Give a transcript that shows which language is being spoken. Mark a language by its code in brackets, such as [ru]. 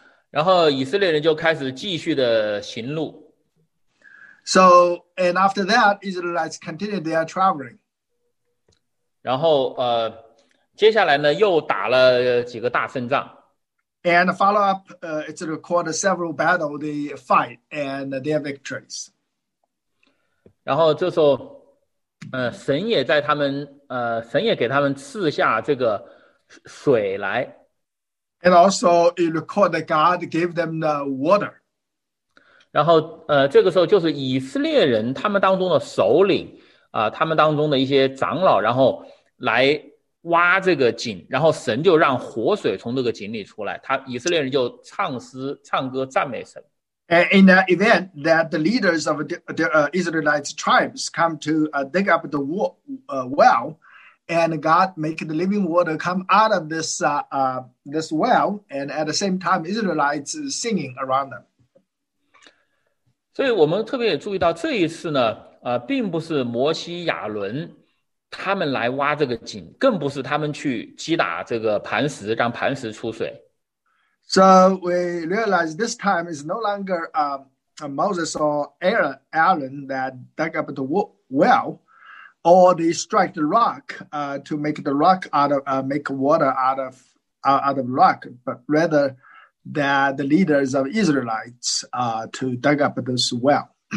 [zh] 然后以色列人就开始继续的行路。 [en] So, and after that, Israelites continued their traveling. [zh] 然后接下来呢，又打了几个大胜仗。 [en] And follow up, it's recorded several battles they fight and their victories. [zh] 然后这时候，神也在他们，神也给他们赐下这个水来。 [en] And also, it recorded that God gave them the water. [zh] 然后，这个时候就是以色列人他们当中的首领，他们当中的一些长老，然后来。挖这个井，然后神就让活水从这个井里出来，他以色列人就唱诗唱歌赞美神。 [en] And in the event that the leaders of the Israelite tribes come to dig up the well and God make the living water come out of this this well, and at the same time Israelites singing around them. [zh] 所以我们特别注意到这一次呢，并不是摩西亚伦他们来挖这个井，更不是他们去击打这个磐石，让磐石出水。 [en] So we realize this time is no longer Moses or Aaron that dug up the well, or they strike the rock to make the rock out of make water out of rock, but rather that the leaders of Israelites to dug up this well.